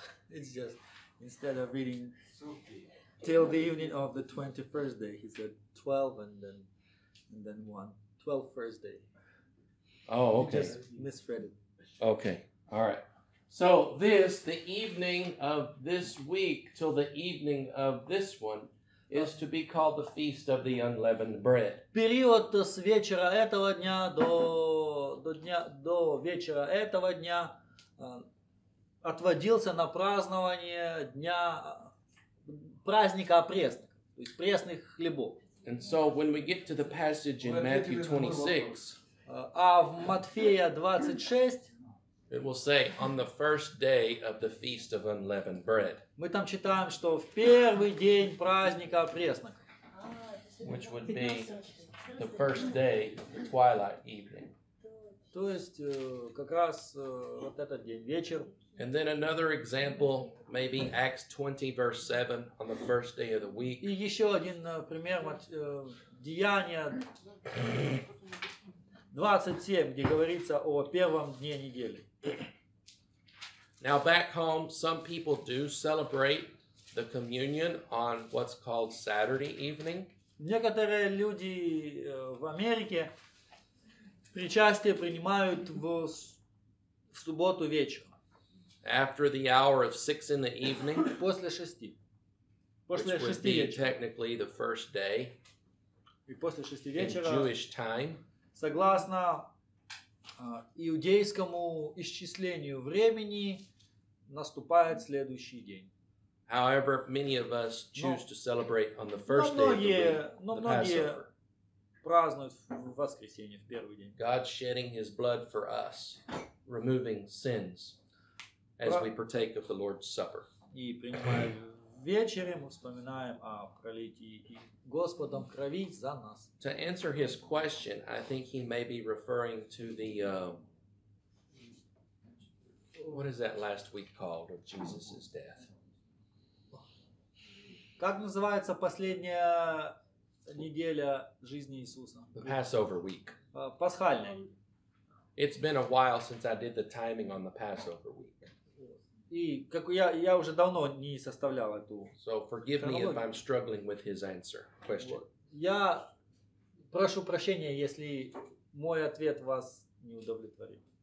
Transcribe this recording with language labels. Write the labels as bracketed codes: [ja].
[en] It's just instead of reading till the evening of the 21st day, he said 12 and then 1. 12 first day. Oh, okay. Just misread it. Okay. All right. So this, the evening of this week till the evening of this one, is to be called the Feast of the Unleavened Bread. [ru] Период с вечера этого дня до вечера этого дня отводился на празднование дня праздника опреснок, то есть пресных хлебов. [en] And so when we get to the passage in Matthew 26, [ru] а в Матфея 26, [en] it will say, on the first day of the Feast of Unleavened Bread. [ru] Мы там читаем, что в первый день праздника опреснок. [en] Which would be the first day of the twilight evening. [ru] То есть, как раз вот этот день, вечер. [en] And then another example, maybe Acts 20, verse 7, on the first day of the week. [ru] И еще один пример, Деяния 27, где говорится о первом дне недели. [en] Now back home, some people do celebrate the communion on what's called Saturday evening. [ru] Некоторые люди в Америке причастие принимают в субботу вечером. [en] After the hour of 6 in the evening. [ru] После шести. После шести вечера. [en] Technically the first day. [ru] И после шести вечера. [en] In Jewish time. [ru] Согласно иудейскому исчислению времени, наступает следующий день. [en] However, many of us choose to celebrate on the first day of the week, the Passover. [ru] Празднуют в воскресенье, в первый день. [en] God shedding his blood for us, removing sins as we partake of the Lord's Supper. [ru] И принимаем вечерем, вспоминаем о пролитии Господом крови за нас. [en] To answer his question, I think he may be referring to the, what is that last week called of Jesus' death? [ru] Как называется последняя неделя жизни Иисуса? [en] The Passover week. [ru] Пасхальная. [en] It's been a while since I did the timing on the Passover week. [ru] И как я уже давно не составлял эту. [en] So forgive me if I'm struggling with his answer question. [ru] Я прошу прощения, если мой ответ вас не удовлетворил.